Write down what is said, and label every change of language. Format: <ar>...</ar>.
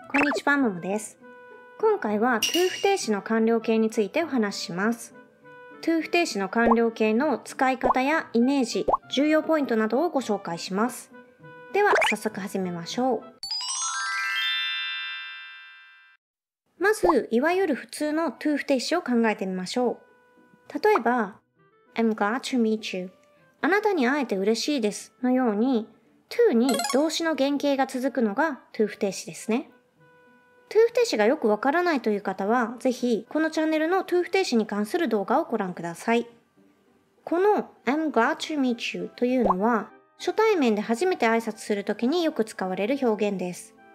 <ja>こんにちは、Momo です。今回は to 不定詞の完了形についてお話しします。 to 不定詞の完了形の使い方やイメージ、重要ポイントなどをご紹介します。では、早速始めましょう。まず、いわゆる普通の to 不定詞を考えてみましょう。例えば、</ja> <en>I'm glad to meet you.</en> <ja>あなたに会えて嬉しいですのように、to に動詞の原形が続くのが to 不定詞ですね。 to 不定詞がよくわからないという方は、ぜひこのチャンネルの to 不定詞に関する動画をご覧ください。この I'm glad to meet you というのは、初対面で初めて挨拶するときによく使われる表現です。</ja>